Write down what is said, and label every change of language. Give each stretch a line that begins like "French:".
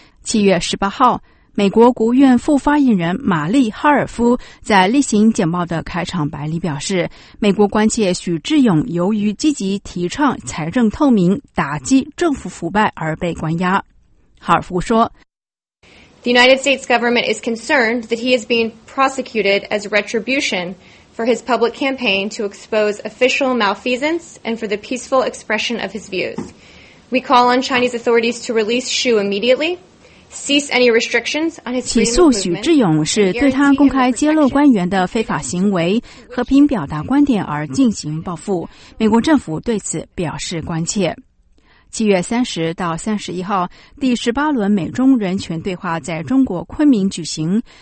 Chinese: 7月18号，美国国务院副发言人玛丽·哈尔夫在例行简报的开场白里表示，美国关切许志勇由于积极提倡财政透明、打击政府腐败而被关押。哈尔夫说，
English: The United States government is concerned that he is being prosecuted as retribution for his public campaign to expose official malfeasance and for the peaceful expression of his views. We call on Chinese authorities to release Xu immediately.
Chinese: 起诉许志勇是对他公开揭露官员的非法行为、和平表达观点而进行报复。美国政府对此表示关切。7月30到31号，第18轮美中人权对话在中国昆明举行。